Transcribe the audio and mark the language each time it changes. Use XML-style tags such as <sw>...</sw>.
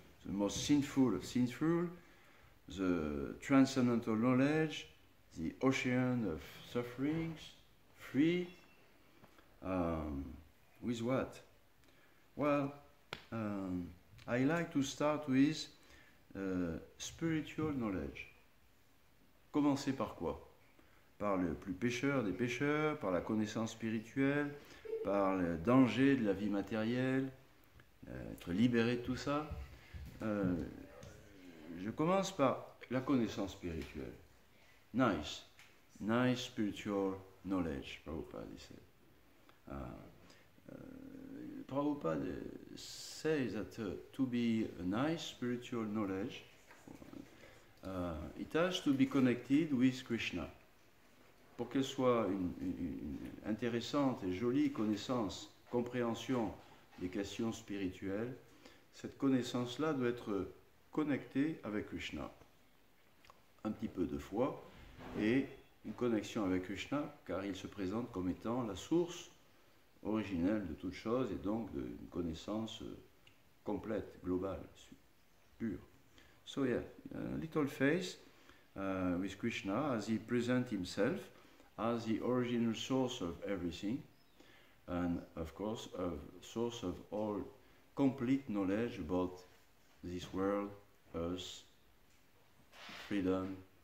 <en>The most sinful of sinful, the transcendental knowledge, the ocean of sufferings, free with what? Well, I like to start with spiritual knowledge.</en> <fr>Commencer par quoi? Par le plus pécheur des pécheurs, par la connaissance spirituelle, par le danger de la vie matérielle, être libéré de tout ça. Je commence par la connaissance spirituelle. Nice.</fr> <en>Nice spiritual knowledge, Prabhupada said. Prabhupada says that to be a nice spiritual knowledge, it has to be connected with Krishna.</en> <fr>Pour qu'elle soit une intéressante et jolie connaissance, compréhension des questions spirituelles, cette connaissance-là doit être connectée avec Krishna. Un petit peu de foi et une connexion avec Krishna, car il se présente comme étant la source originelle de toute chose et donc d'une connaissance complète, globale, pure.</fr> <en>So yeah, a little faith with Krishna as he presents himself as the original source of everything and of course a source of all complete knowledge about this world, us, freedom.</en>